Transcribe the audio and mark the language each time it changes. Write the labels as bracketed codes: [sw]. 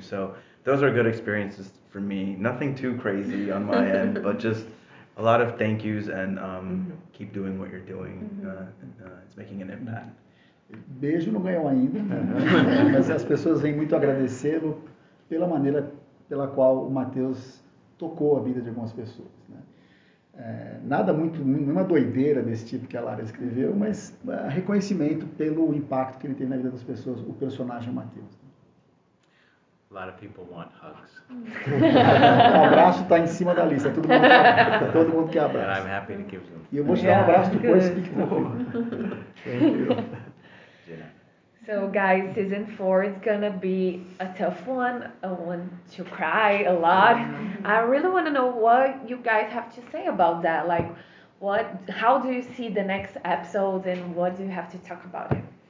[en] So those are good experiences for me. Nothing too crazy on my end, but just a lot of thank yous, and keep doing what you're doing. It's making an impact. [pt] Beijo não ganhou ainda, mas as pessoas vêm muito agradecê-lo pela maneira pela qual o Matheus tocou a vida de algumas pessoas. Né? Nada muito, nenhuma doideira desse tipo que a Lara escreveu, mas reconhecimento pelo impacto que ele tem na vida das pessoas, o personagem Matheus. Né? [en] A lot of people want hugs. [pt] Um abraço está em cima da lista, todo mundo quer abraço. [en] And I'm happy to give them. [pt] E eu vou te dar um abraço depois, fique tranquilo. [en] Thank you. So guys, season 4 is gonna be a tough one. I want to cry a lot. I really want to know what you guys have to say about that. Like, how do you see the next episode, and what do you have to talk about it?